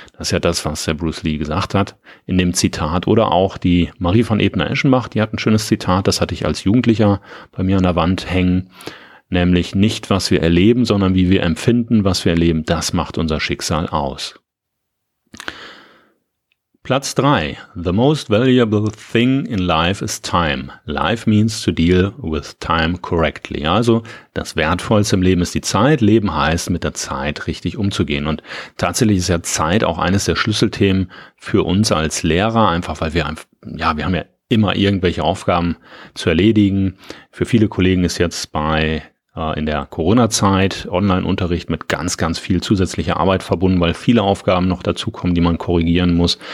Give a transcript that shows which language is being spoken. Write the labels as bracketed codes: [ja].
[de] Das ist ja das, was der Bruce Lee gesagt hat in dem Zitat. Oder auch die Marie von Ebner-Eschenbach, die hat ein schönes Zitat, das hatte ich als Jugendlicher bei mir an der Wand hängen. Nämlich nicht, was wir erleben, sondern wie wir empfinden, was wir erleben. Das macht unser Schicksal aus. Platz 3. [en] The most valuable thing in life is time. Life means to deal with time correctly. [de] Also das Wertvollste im Leben ist die Zeit. Leben heißt, mit der Zeit richtig umzugehen. Und tatsächlich ist ja Zeit auch eines der Schlüsselthemen für uns als Lehrer, einfach weil wir haben ja immer irgendwelche Aufgaben zu erledigen. Für viele Kollegen ist jetzt in der Corona-Zeit Online-Unterricht mit ganz, ganz viel zusätzlicher Arbeit verbunden, weil viele Aufgaben noch dazukommen, die man korrigieren muss.